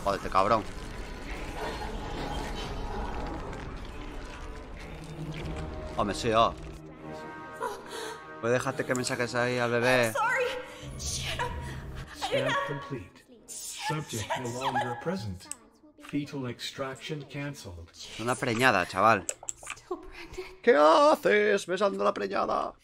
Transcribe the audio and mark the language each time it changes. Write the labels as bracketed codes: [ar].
[es] Cabrón. Hombre, sí, oh. Pues déjate que me saques ahí al bebé. [en] Step complete. Subject no longer present. Fetal extraction canceled. [es] Una preñada, chaval. ¿Qué haces besando la preñada?